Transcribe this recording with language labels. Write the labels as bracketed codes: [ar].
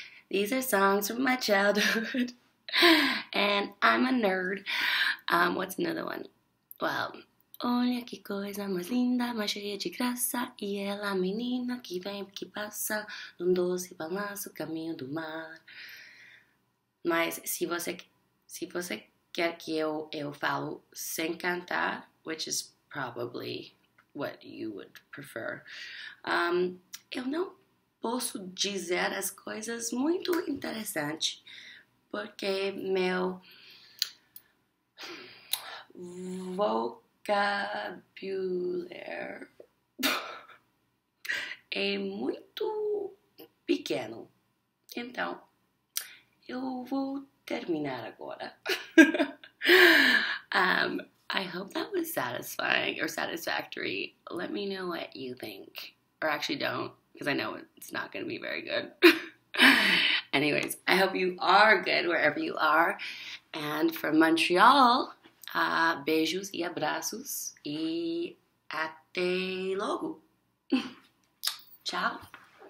[en] These are songs from my childhood. And I'm a nerd. What's another one? [pt] Well, olha que coisa mais linda, mais cheia de graça. E ela, menina que vem, que passa num doce balanço, caminho do mar. Mas se você quer que eu falo sem cantar, [en] which is probably what you would prefer, [pt] eu não posso dizer as coisas muito interessantes. Porque meu vocabulário é muito pequeno. Então, eu vou terminar agora. [en] I hope that was satisfying or satisfactory. Let me know what you think. Or actually don't, because I know it's not going to be very good. Anyways, I hope you are good wherever you are. And from Montreal, [pt] beijos e abraços. E até logo. Tchau.